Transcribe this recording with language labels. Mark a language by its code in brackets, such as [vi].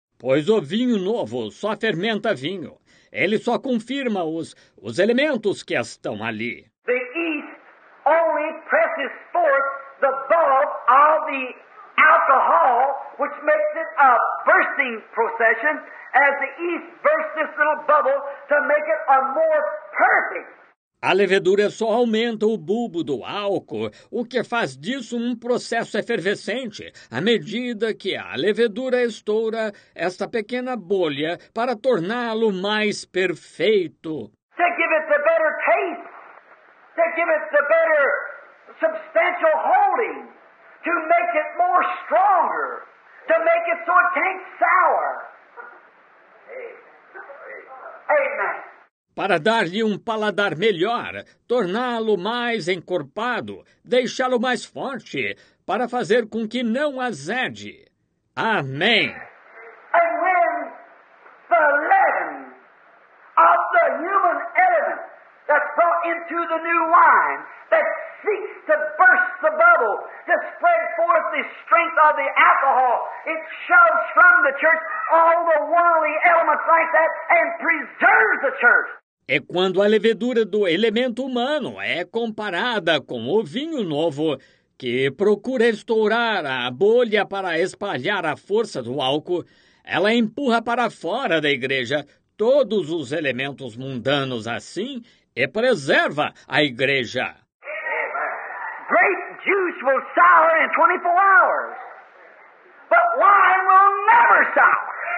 [pt] Pois o vinho novo só fermenta vinho. Ele só confirma os elementos que estão ali. [en] The yeast only presses forth the bulb of the alcohol, which makes it a bursting procession, as the yeast bursts this little bubble to make it a more perfect. [pt] A levedura só aumenta o bulbo do álcool, o que faz disso um processo efervescente, à medida que a levedura estoura esta pequena bolha para torná-lo mais perfeito. [en] To give it the better taste, to give it the better substantial holding, to make it more stronger, to make it so it can't sour. Amen. [pt] Para dar-lhe um paladar melhor, torná-lo mais encorpado, deixá-lo mais forte, para fazer com que não azede. Amém. [en] And when the leaven of the human element that's brought into the new wine, that seeks to burst the bubble, to spread forth the strength of the alcohol, it shoves from the church all the worldly elements like that and preserves the church. [pt] É quando a levedura do elemento humano é comparada com o vinho novo, que procura estourar a bolha para espalhar a força do álcool, ela empurra para fora da igreja todos os elementos mundanos assim e preserva a igreja. [en] Grape juice will sour in 24 hours, but wine will never sour.